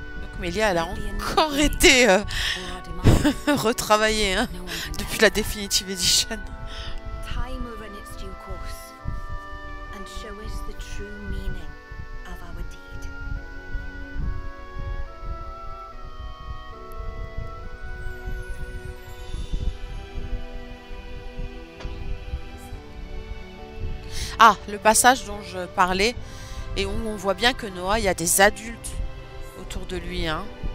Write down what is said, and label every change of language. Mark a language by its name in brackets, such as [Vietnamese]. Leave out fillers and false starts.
[French] Donc Melia, elle a encore été retravaillée hein, depuis la Definitive Edition. [English] Time will run its due course and show us the true meaning of our deed. [French] Ah, le passage dont je parlais et où on voit bien que Noah, il y a des adultes autour de lui, hein.